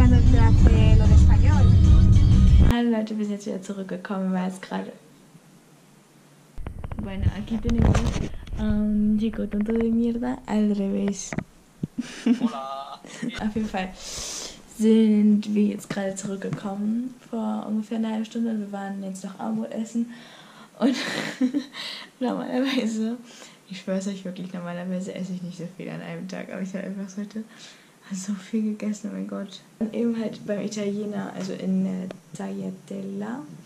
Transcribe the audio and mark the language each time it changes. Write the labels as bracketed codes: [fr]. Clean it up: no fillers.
[de] Leute, wir sind jetzt wieder zurückgekommen, weil es gerade... [es] Bueno, aquí tenemos un chico tonto de mierda al revés. Hola. [de] Auf jeden Fall sind wir jetzt gerade zurückgekommen vor ungefähr einer halben Stunde. Wir waren jetzt noch Abendbrot essen und normalerweise, ich schwör's euch wirklich, normalerweise esse ich nicht so viel an einem Tag, aber ich habe einfach heute so viel gegessen, oh mein Gott. Und eben halt beim Italiener, also in Tagliatella,